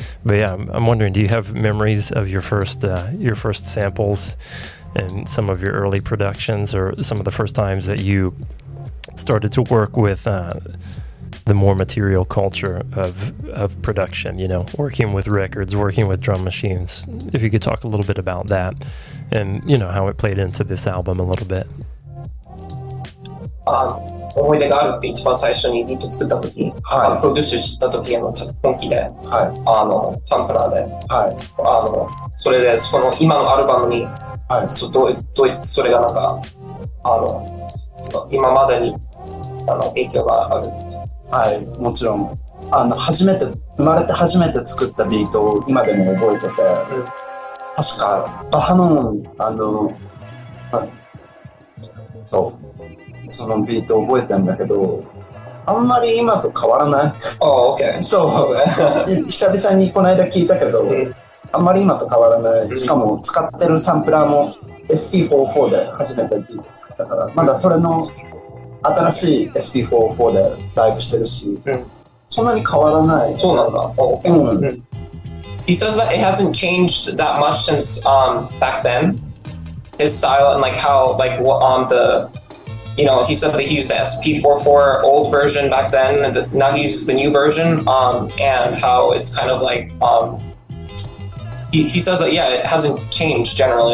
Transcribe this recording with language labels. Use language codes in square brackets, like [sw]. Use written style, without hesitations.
[en] But yeah, I'm wondering, do you have memories of your first samples and some of your early productions, or some of the first times that you started to work with the more material culture of production, you know, working with records, working with drum machines? If you could talk a little bit about that and, you know, how it played into this album a little bit. [ja] 思い出があるって一番最初にビート作った時、はい、プロデュースした時の本気で、はい、あのサンプラーで、はい、あのそれでその今のアルバムに、はい、それがなんかあの今までにあの影響があるんですよ。はい、もちろんあの初めて生まれて初めて作ったビートを今でも覚えてて、うん、確かバハノンあの、ま、そうそのビートを覚えてんだけどあんまり今と変わらない。あ、オッケー。そう久々にこの間聞いたけど、うん、あんまり今と変わらない。しかも使ってるサンプラーも SP44 で初めてビート作ったから、まだそれの新しい SP44 でライブしてるし、うん、そんなに変わらない。そうなんだ。うん、 [en] He says that it hasn't changed that much since back then. His style and like how like what on the, you know, he said that he used the SP44 old version back then, and now he uses the new version. And how it's kind of like he says that yeah, it hasn't changed generally.